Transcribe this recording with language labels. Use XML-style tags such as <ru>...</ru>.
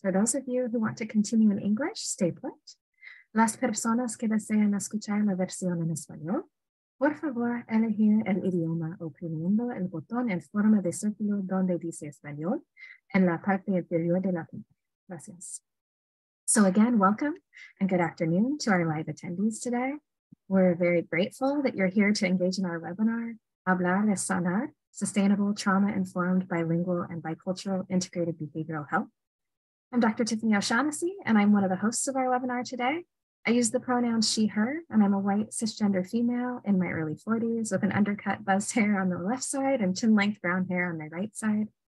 <en>For those of you who want to continue in English, stay put.</en> <es>Las personas que desean escuchar la versión en español, por favor, elegir el idioma oprimiendo el botón en forma de círculo donde dice español en la parte inferior de la pantalla. Gracias.</es> <en>So again, welcome and good afternoon to our live attendees today. We're very grateful that you're here to engage in our webinar, Hablar es Sanar, Sustainable Trauma-Informed Bilingual and Bicultural Integrated Behavioral Health. I'm Dr. Tiffany O'Shaughnessy, and I'm one of the hosts of our webinar today. I use the pronouns she, her, and I'm a white cisgender female in my early 40s with an undercut buzzed hair on the left side and chin-length brown hair on my right side.</en>